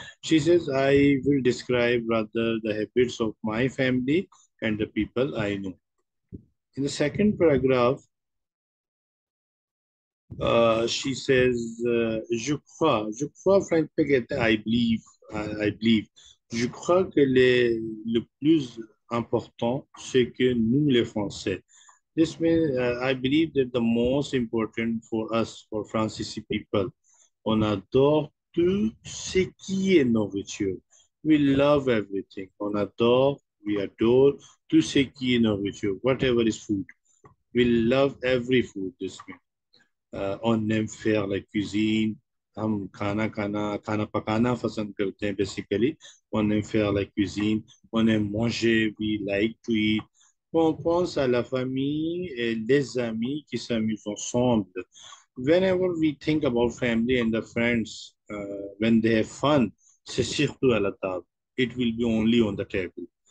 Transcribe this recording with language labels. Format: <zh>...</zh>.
<en>She says, I will describe rather the habits of my family and the people I know. In the second paragraph, she says,</en> <fr>je crois,</fr> <en>French baguette, I believe.</en> <fr>Je crois que le plus important, c'est que nous, les Français.</fr> <en>This means, I believe that the most important for us, for Francis people,</en> <fr>on adore tout ce qui est nourriture.</fr> <en>We love everything.</en> <fr>On adore,</fr> <en>we adore</en> <fr>tout ce qui est nourriture,</fr> <en>whatever is food. We love every food, this means.</en> <fr>On aime faire la cuisine.</fr> <ur>Hum, khana, khana, khana, pakana, fasan karte hain, basically.</ur> <fr>On aime faire la cuisine, on aime manger,</fr> <en>we like to eat.</en> <fr>On pense à la famille et les amis qui s'amusent ensemble.</fr> <en>whenever we think about family and the friends, when they have fun, it will be only on the table.</en>